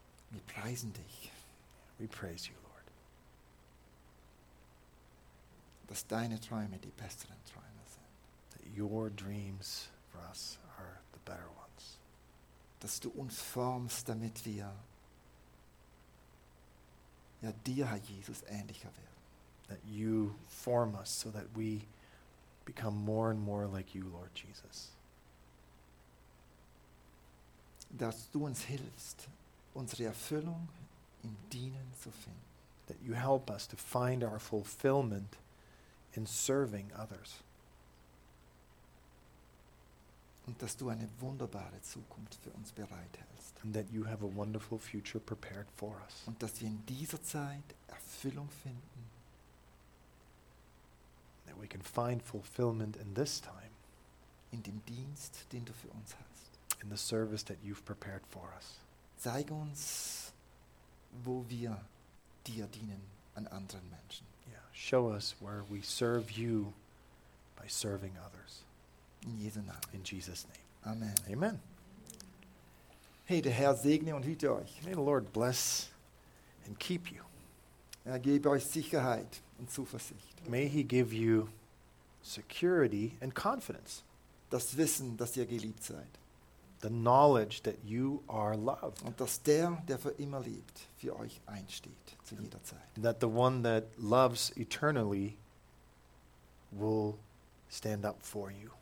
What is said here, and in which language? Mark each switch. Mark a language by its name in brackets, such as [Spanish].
[German] Wir preisen dich. [English] We praise you, Lord. [German] Dass deine Träume die besseren Träume sind. [English] That your dreams for us are the better ones. [German] Dass du uns formst, damit wir ja dir, Herr Jesus, ähnlicher werden. [English] That you form us so that we become more and more like you, Lord Jesus. [German] Dass du uns hilfst, unsere Erfüllung im Dienen zu finden. [English] That you help us to find our fulfillment in serving others. [German] Und dass du eine wunderbare Zukunft für uns bereithältst. [English] And that you have a wonderful future prepared for us. [German] Und dass wir in dieser Zeit Erfüllung finden. [English] That we can find fulfillment in this time. [German] In dem Dienst, den du für uns hast. [English] In the service that you've prepared for us. [German] Zeige uns, wo wir dir dienen an anderen Menschen. Yeah. [English] Show us where we serve you by serving others. [German] In Jesu Namen. [English] In Jesus' name. Amen. Amen. [German] Hey, der Herr segne und hüte euch. [English] May the Lord bless and keep you. [German] Er gebe euch Sicherheit und Zuversicht. [English] May he give you security and confidence. [German] Das Wissen, dass ihr geliebt seid. [English] The knowledge that you are loved. [German] Und dass der, der für immer liebt, für euch einsteht, zu jeder Zeit. [English] That the one that loves eternally will stand up for you.